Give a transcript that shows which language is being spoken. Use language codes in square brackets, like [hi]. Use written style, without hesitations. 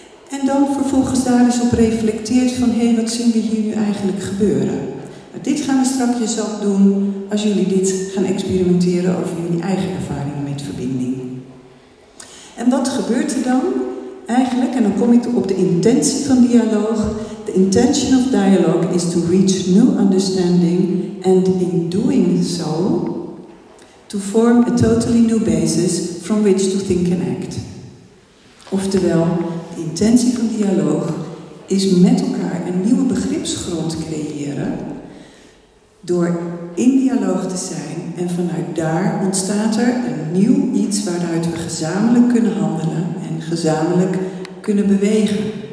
[nl] En dan vervolgens daar eens op reflecteert van, hé, wat zien we hier nu eigenlijk gebeuren? Maar dit gaan we straks ook doen als jullie dit gaan experimenteren over jullie eigen ervaringen met verbinding. En wat gebeurt er dan eigenlijk? En dan kom ik op de intentie van dialoog. [en] The intention of dialogue is to reach new understanding and in doing so to form a totally new basis from which to think and act. [nl] Oftewel, de intentie van dialoog is met elkaar een nieuwe begripsgrond creëren door in dialoog te zijn en vanuit daar ontstaat er een nieuw iets waaruit we gezamenlijk kunnen handelen en gezamenlijk kunnen bewegen.